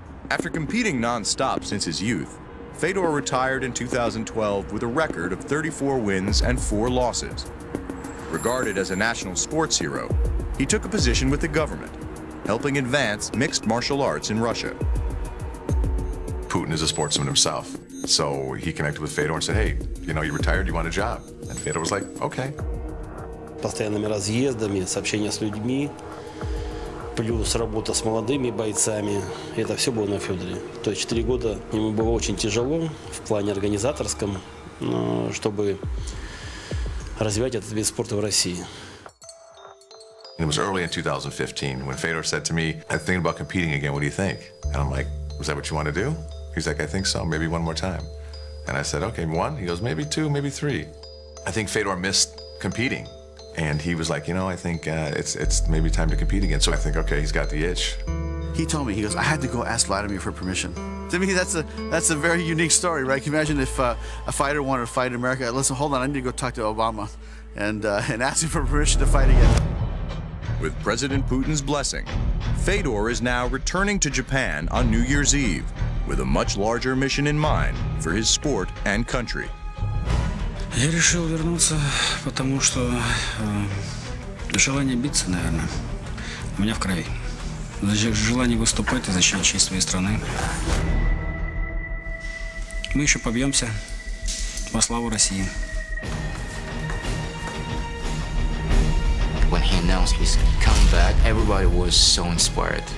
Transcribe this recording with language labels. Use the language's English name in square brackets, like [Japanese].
[English] After competing nonstop since his youth, Fedor retired in 2012 with a record of 34 wins and 4 losses. Regarded as a national sports hero, he took a position with the government, helping advance mixed martial arts in Russia. Putin is a sportsman himself, so he connected with Fedor and said, hey, you know, you retired, you want a job? And Fedor was like, okay. [Russian] Постоянными разъездами, сообщения с людьми, плюс работа с молодыми бойцами, это все было на Федоре. То есть 4 года ему было очень тяжело в плане организаторском, чтобы развивать этот вид спорта в России. [English] It was early in 2015 when Fedor said to me, I think about competing again, what do you think? And I'm like, is that what you want to do? He's like, I think so, maybe one more time. And I said, okay, one? He goes, maybe two, maybe three. I think Fedor missed competing. And he was like, you know, I think it's maybe time to compete again. So I think, okay, he's got the itch. He told me, he goes, I had to go ask Vladimir for permission. To me, that's a very unique story, right? Can you imagine if a fighter wanted to fight in America? Listen, hold on, I need to go talk to Obama and ask him for permission to fight again. With President Putin's blessing, Fedor is now returning to Japan on New Year's Eve with a much larger mission in mind for his sport and country. [Russian] Я решил вернуться, потому что желание биться, наверное, у меня в крови. Желание выступать и защищать честь своей страны. Мы еще побьемся во славу России. [English] When he announced his comeback, everybody was so inspired.